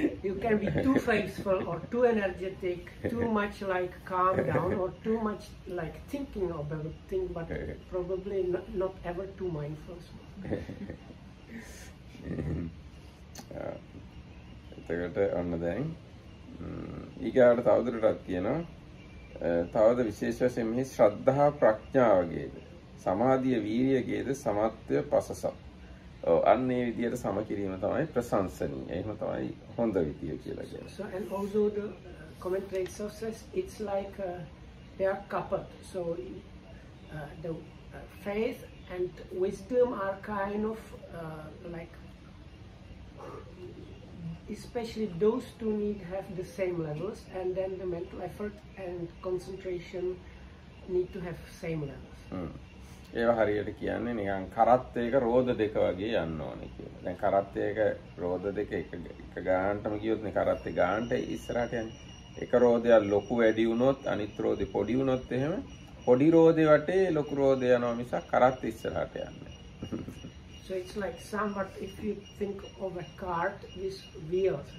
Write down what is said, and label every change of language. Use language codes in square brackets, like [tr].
[en] You can be too faithful or too energetic, too much like calm down or too much like thinking about things, but probably not ever too mindful. [si] එතකොට ඔන්න දැන් ඊගාට තවදුරටත් කියනවා, තවද විශේෂ වශයෙන් මෙහි ශ්‍රද්ධා ප්‍රඥාවගේද සමාධිය වීරියගේද සමත්වය පසස. ඔව්, අන්න ඒ විදිහට සම කිරීම තමයි ප්‍රශංසනීය. එහෙම තමයි හොඳ විදිය කියලා කියනවා. [en] So and also the commentary sources, it's like they are coupled. So the faith and wisdom are kind of like especially those two need have the same levels, and then the mental effort and concentration need to have same levels. [si] ඒව හරියට කියන්නේ නිකන් කරත්තේක රෝද දෙක වගේ යන්න ඕනේ කියලා. දැන් කරත්තේක රෝද දෙක එක ගානටම ගියොත් නේ කරත්තේ ගානට ඉස්සරහට යන්නේ. එක රෝදයක් ලොකු වැඩි වුණොත් අනිත් රෝදෙ පොඩි වුණොත් එහෙම පොඩි රෝදෙ වටේ ලොකු රෝදෙ යනවා මිස කරත් ඉස්සරහට යන්නේ. [en] So it's like somewhat if you think of a cart with wheels.